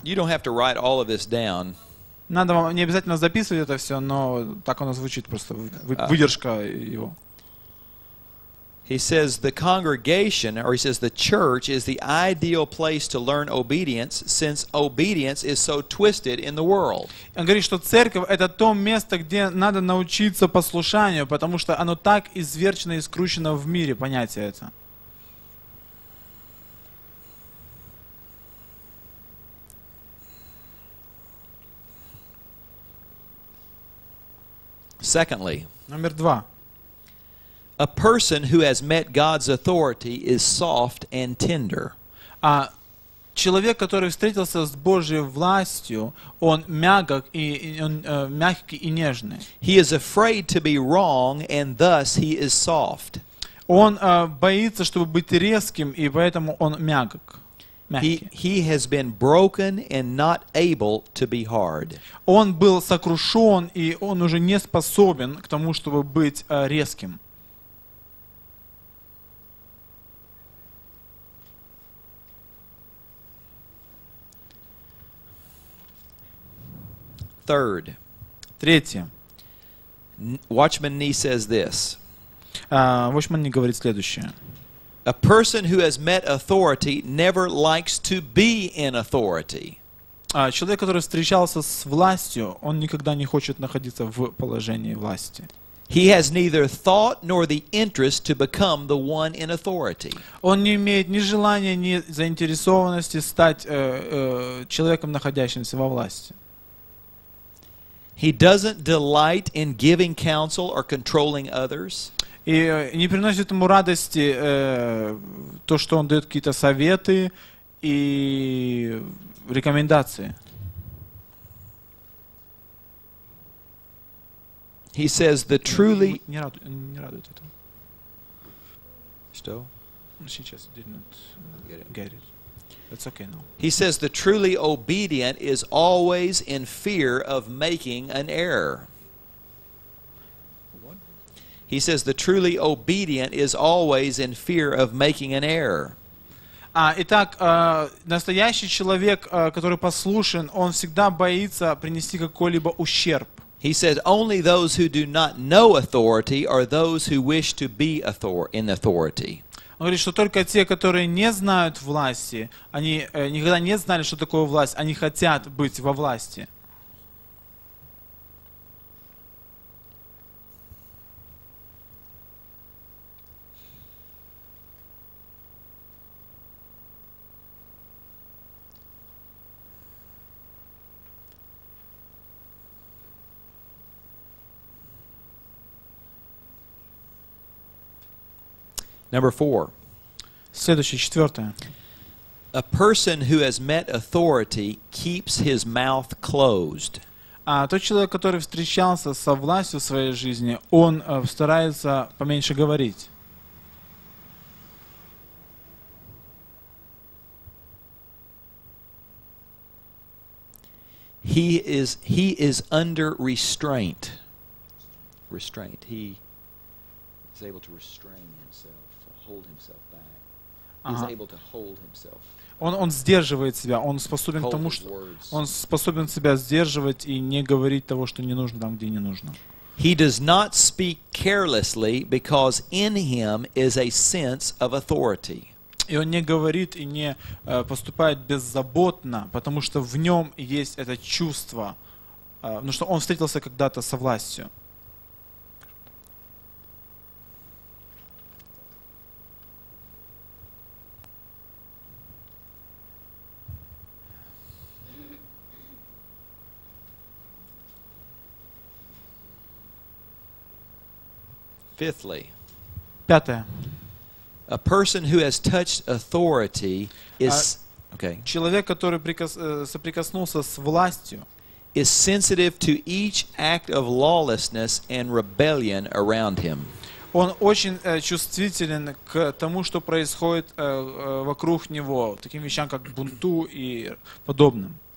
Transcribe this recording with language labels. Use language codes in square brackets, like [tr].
[en] You don't have to write all of this down. [ru] Надо вам не обязательно записывать это все, но так оно звучит просто выдержка его. [en] He says the congregation, or he says the church, is the ideal place to learn obedience, since obedience is so twisted in the world. [ru] Он говорит, что церковь — это то место, где надо научиться послушанию, потому что оно так изверчено и скручено в мире, понятие это. [en] Secondly, number two, a person who has met God's authority is soft and tender. [ru] А человек, который встретился с Божьей властью, он мягкий и нежный. [en] He is afraid to be wrong, and thus he is soft. [ru] Он боится, чтобы быть резким, и поэтому он мягок. [en] He has been broken and not able to be hard. [ru] Он был сокрушен, и он уже не способен к тому, чтобы быть резким. [en] Third. [ru] Третье. [en] Watchman Nee says this. [ru] Watchman Nee говорит следующее. [en] A person who has met authority never likes to be in authority. [ru] Человек, который встречался с властью, он никогда не хочет находиться в положении власти. [en] He has neither thought nor the interest to become the one in authority. [ru] Он не имеет ни желания, ни заинтересованности стать человеком, находящимся во власти. [en] He doesn't delight in giving counsel or controlling others. [ru] И не приносит ему радости то, что он дает какие-то советы и рекомендации. [en] He says the truly [ru] не радует это. Что? [en] She just didn't get it. That's okay now. He says the truly obedient is always in fear of making an error. He says the truly obedient is always in fear of making an error. [ru] Итак, настоящий человек, который послушен, он всегда боится принести какой-либо ущерб. [en] He says only those who do not know authority are those who wish to be in authority. [ru] Он говорит, что только те, которые не знают власти, они никогда не знали, что такое власть, они хотят быть во власти. [en] Number four. [ru] Следующее, четвертое. [en] A person who has met authority keeps his mouth closed. [ru] А тот человек, который встречался со властью в своей жизни, он старается поменьше говорить. [en] He is under restraint. Restraint. He is able to restrain himself. Hold himself back. He's able to hold himself. [ru] Он сдерживает себя. Он способен к тому, что он способен себя сдерживать и не говорить того, что не нужно там, где не нужно. [en] He does not speak carelessly because in him is a sense of authority. [ru] И он не говорит и не поступает беззаботно, потому что в нем есть это чувство, потому что он встретился когда-то со властью. [en] Fifthly, [ru] пятое. [en] A person who has touched authority is okay. [ru] Человек, который соприкоснулся с властью, [en] is sensitive to each act of lawlessness and rebellion around him. [ru] Он очень чувствителен к тому, что происходит вокруг него, таким вещам как бунту и подобным.